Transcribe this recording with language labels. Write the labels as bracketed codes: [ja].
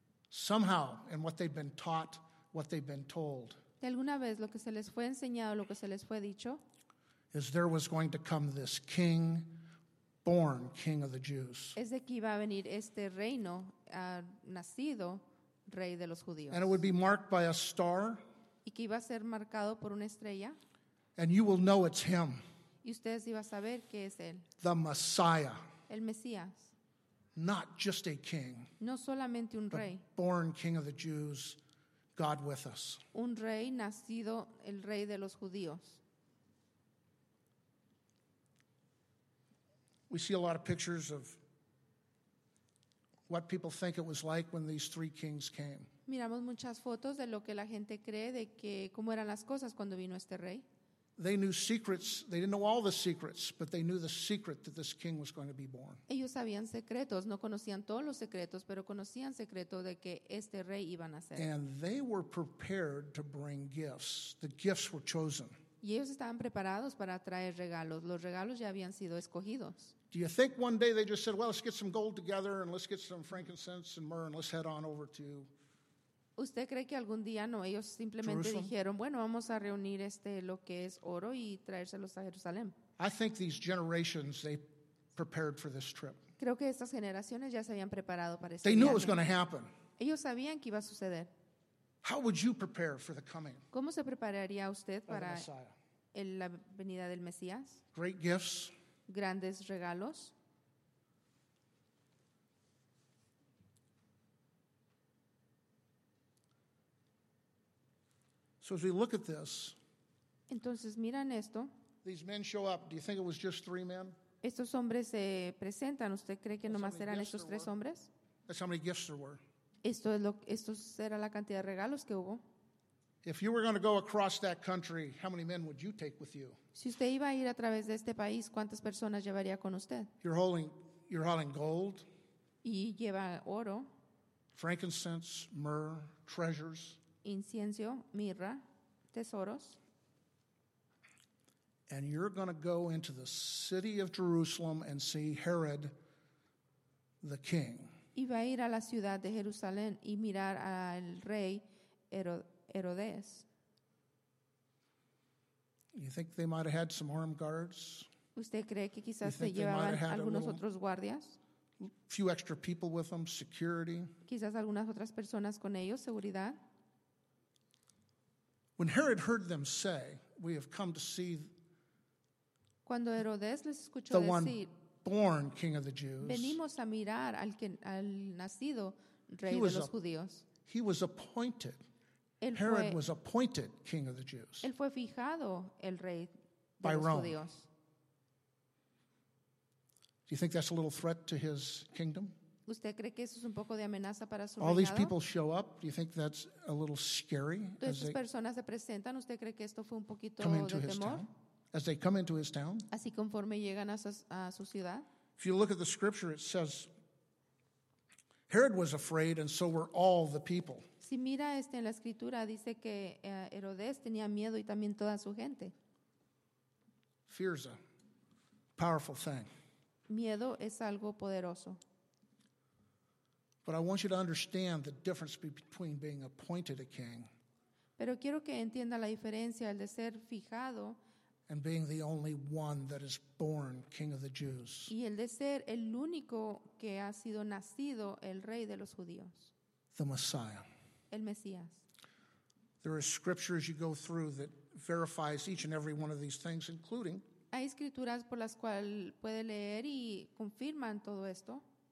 [en] Somehow, in what they've been taught, what they've been told. [es] De alguna vez, lo que se les fue enseñado, lo que se les fue dicho. [en] Is there was going to come this king, born king of the Jews. [es] Es de que iba a venir reino, nacido, rey de los judíos. [en] And it would be marked by a star. [es] Y que iba a ser marcado por una estrella. [en] And you will know it's him. [es] Y ustedes iban a saber que es él. [en] The Messiah. [es] El Mesías. [en] Not just a king, [es] no solamente un [en] but [es] rey. [en] Born king of the Jews, God with us. [es] Un rey nacido, el rey de los judíos. [en] We see a lot of pictures of what people think it was like when these three kings came. [es] Miramos muchas fotos de lo que la gente cree de que cómo eran las cosas cuando vino rey. [en] They knew secrets. They didn't know all the secrets, but they knew the secret that this king was going to be born. [es] Ellos sabían secretos, no conocían todos los secretos, pero conocían secreto de que rey iba a nacer. [en] And they were prepared to bring gifts. The gifts were chosen. [es] Y ellos estaban preparados para traer regalos. Los regalos ya habían sido escogidos. [en] Do you think one day they just said, "Well, let's get some gold together and let's get some frankincense and myrrh and let's head on over to"? [es] ¿Usted cree que algún día no? Ellos simplemente [en] Jerusalem. [es] Dijeron, bueno, vamos a reunir lo que es oro y traérselos a Jerusalén. [en] I think these generations, they prepared for this trip. [es] Creo que estas generaciones ya se habían preparado para este [en] they [es] viaje. [en] Knew it was going to happen. [es] Ellos sabían que iba a suceder. [en] How would you prepare for the coming? [es] ¿Cómo se prepararía usted para [en] the Messiah? [es] La venida del Mesías? [en] Great gifts. [es] Grandes regalos. [en] So as we look at this, [es] entonces miran esto. [en] These men show up. Do you think it was just three men? [es] Estos hombres se presentan. ¿Usted cree que nomás eran estos tres hombres? [en] That's how many gifts there were. [es] Esto era la cantidad de regalos que hubo. [en] If you were going to go across that country, how many men would you take with you? [es] Si usted iba a ir a través de este país, ¿cuántas personas llevaría con usted? [en] You're hauling gold. [es] Y lleva oro. [en] Frankincense, myrrh, treasures. [es] Incienso, mirra, tesoros. [en] And you're going to go into the city of Jerusalem and see Herod, the king. [es] Y va a ir a la ciudad de Jerusalén y mirar al rey Herodes. [en] You think they might have had some armed guards? [es] ¿Usted cree que quizás se llevaban algunos otros guardias? [en] Few extra people with them, security. [es] Quizás algunas otras personas con ellos, seguridad. [en] When Herod heard them say, "We have come to see [es] Cuando Herodes les escuchó [en] the [es] decir, [en] one born king of the Jews, [es] venimos a mirar al, que, al nacido rey de los judíos. [en] He was appointed. Herod was appointed king of the Jews. [es] Él fue fijado el rey de los judíos. [en] Do you think that's a little threat to his kingdom? [es] ¿Usted cree que eso es un poco de amenaza para su [en] All [es] reinado? [en] These people show up. Do you think that's a little scary? [es] ¿Estas personas se presentan? ¿Usted cree que esto fue un poquito [en] come into [es] de [en] his [es] temor? [en] Town? As they come into his town? [es] Así conforme llegan a su ciudad. [en] If you look at the scripture, it says Herod was afraid, and so were all the people. [es] Si mira este en la escritura, dice que Herodes tenía miedo y también toda su gente. [en] Fear is a powerful thing. [es] Miedo es algo poderoso. [en] But I want you to understand the difference between being appointed a king. [es] Pero quiero que entienda la diferencia el de ser fijado. [en] And being the only one that is born king of the Jews. [es] Y el de ser el único que ha sido nacido el rey de los judíos. [en] The Messiah. [es] El Mesías. [en] There are scriptures you go through that verifies each and every one of these things, including. [es] Hay escrituras por las cuales puede leer y confirman todo esto.